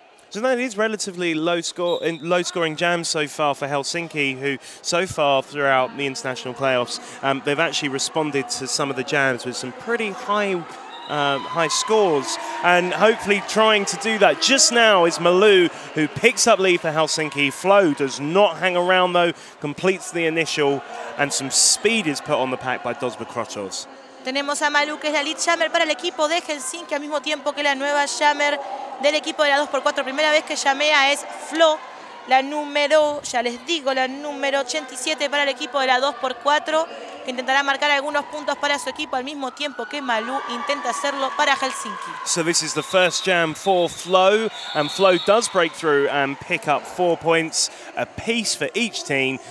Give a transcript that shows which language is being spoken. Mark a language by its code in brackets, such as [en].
[en] So that is relatively low scoring jams so far for Helsinki, who so far throughout the international playoffs, they've actually responded to some of the jams with some pretty high scores, and hopefully trying to do that. Just now is Malu, who picks up lead for Helsinki. Flo does not hang around though, completes the initial, and some speed is put on the pack by Dosbeck Krochol. [es] Tenemos a Malu, que es la lead jammer para el equipo de Helsinki, al mismo tiempo que la nueva jammer del equipo de la 2x4. Primera vez que llamea es Flo, la número, ya les digo, la número 87 para el equipo de la 2x4, que intentará marcar algunos puntos para su equipo al mismo tiempo que Malu intenta hacerlo para Helsinki. [en] So this is the first jam for Flo, and Flo does break through and pick up 4 points apiece for each team.